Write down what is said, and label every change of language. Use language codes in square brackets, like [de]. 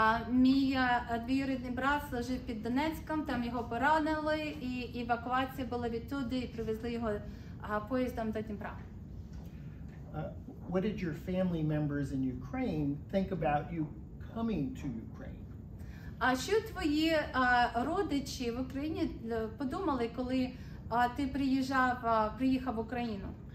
[uk] Мій двоюрідний брат служив під Донецьком, там його поранили і евакуація була відтуди і привезли його поїздом до Дніпра. [en] What did your family members in Ukraine think about you coming to Ukraine? [uk] А що твої родичі в Україні подумали, коли ти приїхав в Україну?